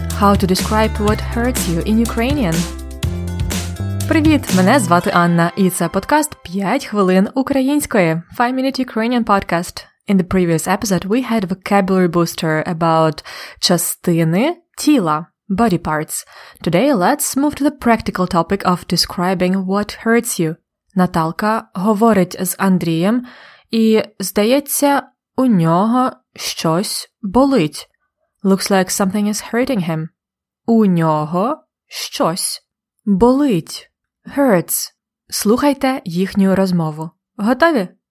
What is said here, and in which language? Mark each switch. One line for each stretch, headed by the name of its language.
English: How to describe what hurts you in Ukrainian.
Ukrainian: Привіт, мене звати Анна, і це подкаст 5 хвилин української.
English: 5 Minute Ukrainian Podcast. In the previous episode, we had vocabulary booster about
Ukrainian: частини тіла,
English: body parts. Today, let's move to the practical topic of describing what hurts you.
Ukrainian: Наталка говорить з Андрієм, і, здається, у нього щось болить.
English: Looks like something is hurting him.
Ukrainian: У нього щось болить.
English: Hurts.
Ukrainian: Слухайте їхню розмову. Готові?